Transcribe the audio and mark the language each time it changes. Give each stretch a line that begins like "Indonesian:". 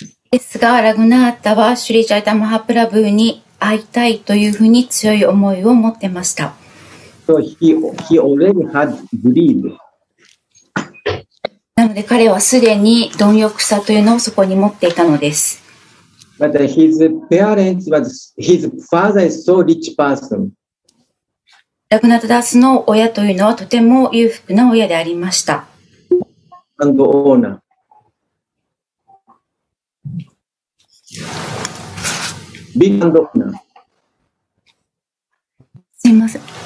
Japanese: ですが、ラグナダはシュリチャイタマハプラブに会いたいというふうに強い思いを持ってました。
English: So he already had greed.
Japanese: なので彼はすでに貪欲さというのをそこに持っていたのです。
English: But his parents was, his father is so rich person.
Japanese: ラグナタダスの親というのはとても裕福な親でありました。
English: And owner. Big and owner.
Japanese: すいません。